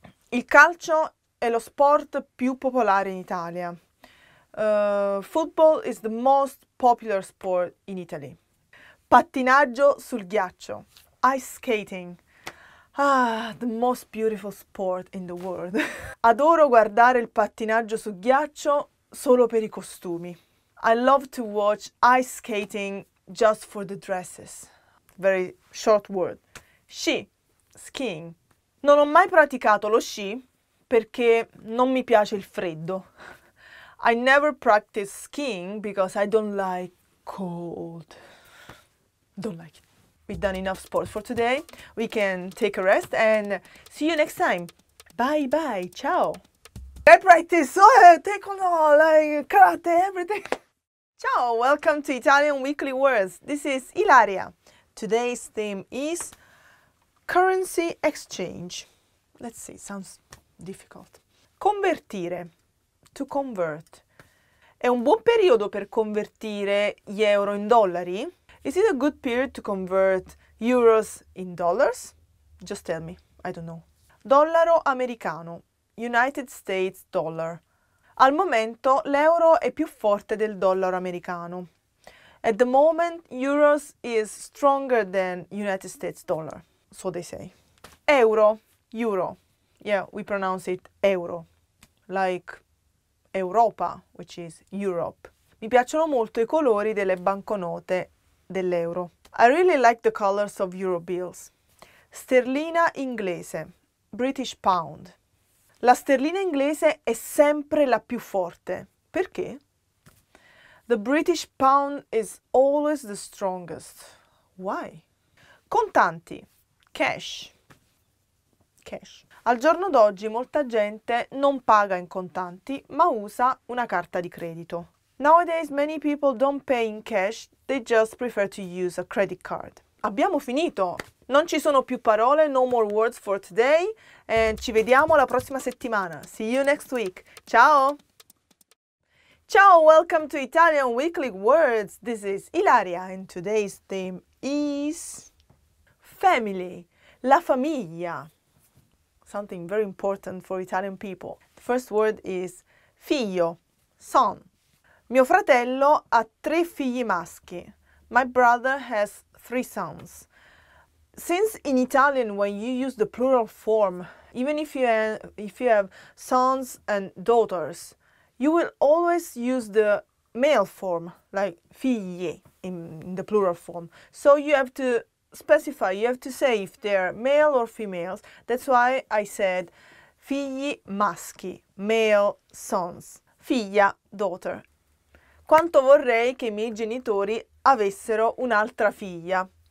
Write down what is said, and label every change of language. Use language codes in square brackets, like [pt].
[it] Il calcio è lo sport più popolare in Italia. [en] Football is the most popular sport in Italy. [it] Pattinaggio sul ghiaccio. [en] Ice skating. Ah, the most beautiful sport in the world. [it] Adoro guardare il pattinaggio su ghiaccio solo per i costumi. [en] I love to watch ice skating just for the dresses. Very short word. Sci. Skiing. [it] Non ho mai praticato lo sci perché non mi piace il freddo. [en] I never practiced skiing because I don't like cold. Don't like it. We've done enough sports for today. We can take a rest and see you next time. Bye bye, ciao. I practice, so take on all, like karate, everything. Ciao, welcome to Italian Weekly Words. This is Ilaria. Today's theme is currency exchange. Let's see, sounds difficult. Convertire, to convert. [it] È un buon periodo per convertire gli euro in dollari? [en] Is it a good period to convert euros in dollars? Just tell me, I don't know. Dollaro americano, United States dollar. [it] Al momento l'euro è più forte del dollaro americano. [en] At the moment, euros is stronger than United States dollar, so they say. Euro, euro. Yeah, we pronounce it euro, like Europa, which is Europe. [it] Mi piacciono molto I colori delle banconote dell'euro. [en] I really like the colors of euro bills. [it] Sterlina inglese, [en] British pound. [it] La sterlina inglese è sempre la più forte. [en] Perché? The British pound is always the strongest. Why? Contanti, cash. Cash. [it] Al giorno d'oggi molta gente non paga in contanti, ma usa una carta di credito. [en] Nowadays many people don't pay in cash, they just prefer to use a credit card. [it] Abbiamo finito! Non ci sono più parole, [en] no more words for today. And [it] ci vediamo la prossima settimana. [en] See you next week. Ciao! Ciao, welcome to Italian Weekly Words. This is Ilaria and today's theme is family, la famiglia. Something very important for Italian people. The first word is figlio, son. [it] Mio fratello ha tre figli maschi. [en] My brother has three sons. Since in Italian, when you use the plural form, even if you have sons and daughters, you will always use the male form, like figli in the plural form. So you have to specify, you have to say if they're male or females. That's why I said figli maschi, male sons, figlia, daughter. [it] Quanto vorrei che I miei genitori avessero un'altra figlia.